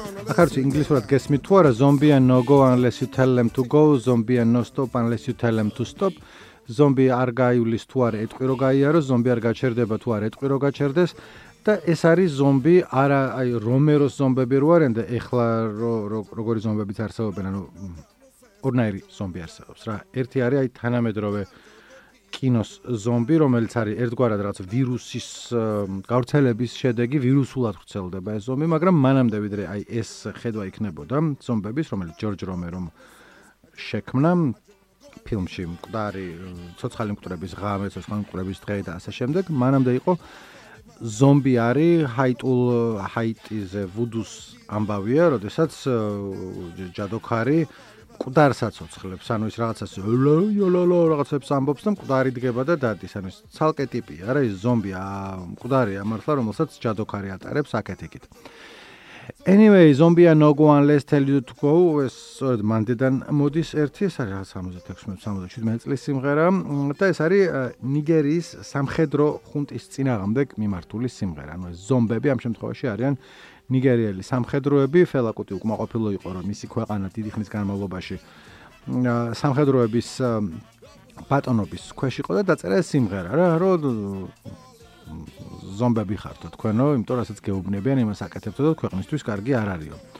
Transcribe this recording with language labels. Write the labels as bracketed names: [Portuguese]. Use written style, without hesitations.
[Georgian] ახაც ინგლისურად გესმით თუ არა, ზომბია ნოგო [English] unless you tell them to go, ზომბია no stop unless you tell them to stop. [Georgian] ზომბი არ გაივლის თუ არა ეტყვირო გაიარო, ზომბი არ გაჩერდება თუ არა ეტყვირო გაჩერდეს. და ეს არის ზომბი, არა აი რომეროს ზომბები რო არიან და ეხლა როგორი ზომბებიც არსებობენ, ანუ ორნაირი ზომბი არსებობს რა. ერთი არის აი თანამედროვე კინოს ზომბი, რომელიც არის ერთგვარად რაღაც ვირუსის გავრცელების შედეგი, ვირუსულად ვრცელდება ეს ზომბი, მაგრამ მანამდე ვიდრე აი ეს ხედვა იქნებოდა ზომბების, რომელიც ჯორჯ რომერომ შექმნა ფილმში მკვდარი ცოცხალი მკვდრების ღამე, ცოცხალი მკვდრების დღე და ასე შემდეგ, მანამდე იყო ზომბი არის ჰაიტულ ჰაიტიზე ვუდუს ამბავია, როდესაც ჯადოქარი მკვდარსაცოცხლებს, ანუ ის რაღაცას ლოლო რაღაცებს ამბობს და მკვდარი დგება და დადის, ანუ ეს ცალკე ტიპია რა, ეს ზომბი მკვდარია მართლა, რომელსაც ჯადოქარი ატარებს აკეთეკით. [English] Anyway, zombie no go unless tell you to go. [Georgian] ეს სწორედ მანდედან მოდის ერთი, ეს არის 76-77 წლის სიმღერა და ეს არის ნიგერიის სამხედრო ხუნტის წინააღმდეგ მიმართული სიმღერა. ანუ ეს ზომბები ამ შემთხვევაში არიან ნიგერიელი სამხედროები. ფელაკუტი უკმაყოფილო იყო, რომ მისი ქვეყანა დიდი ხნის განმავლობაში სამხედროების ბატონობის ქვეშ იყო და დაწერა ეს სიმღერა რა, რომ ზომბები ხართო თქვენო, იმიტომ რომ ასეც გეუბნებიან იმას აკეთებთო და ქვეყნისთვის კარგი არ არისო.